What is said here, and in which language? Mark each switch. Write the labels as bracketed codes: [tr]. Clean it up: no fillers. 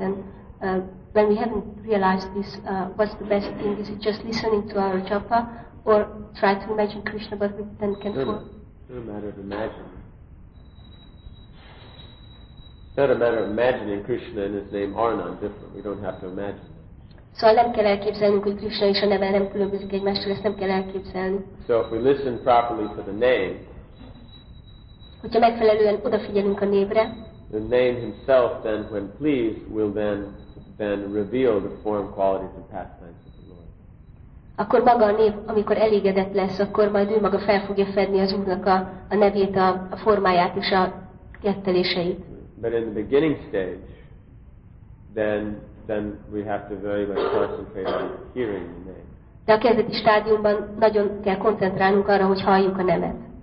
[en] And when we haven't realized this, what's the best thing? Is it just listening to our japa, or try to imagine Krishna, but we then can fall? It's not a matter of imagining Krishna and His name are non-different. We don't have to imagine. [hu] Szóval nem kell elképzelnünk, hogy Krishna és a neve nem különbözik egymástól, ezt nem kell elképzelni. [en] So if we listen properly to the name, [hu] hogyha megfelelően odafigyelünk a névre, [en] the name Himself then, when pleased, will then reveal the form, qualities and pastimes of the Lord. [hu] Akkor maga a név, amikor elégedett lesz, akkor majd ő maga fel fogja fedni az Úrnak a nevét, a formáját és a ketteléseit. [en] But in the beginning stage, then we have to very much concentrate on hearing the name. [hu] De a kezdeti stádiumban nagyon kell koncentrálnunk arra, hogy halljuk a nemet.